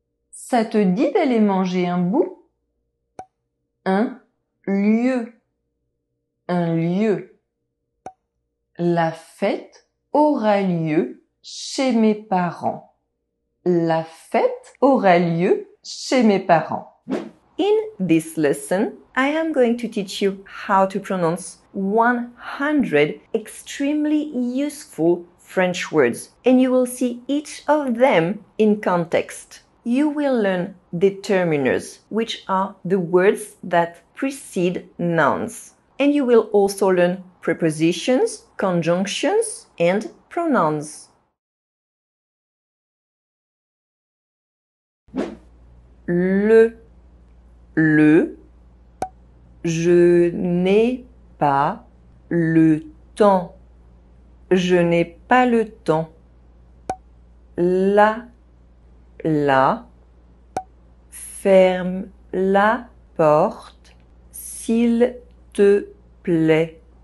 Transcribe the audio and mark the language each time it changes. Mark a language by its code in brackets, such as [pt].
[fr] Ça te dit d'aller manger un bout? Un lieu, la fête aura lieu chez mes parents. La fête aura lieu chez mes parents. [en] In this lesson, I am going to teach you how to pronounce 100 extremely useful French words, and you will see each of them in context. You will learn determiners, which are the words that precede nouns. And you will also learn prepositions, conjunctions, and pronouns. [fr] Le, je n'ai pas le temps, je n'ai pas le temps. La, ferme la porte, s'il te plaît.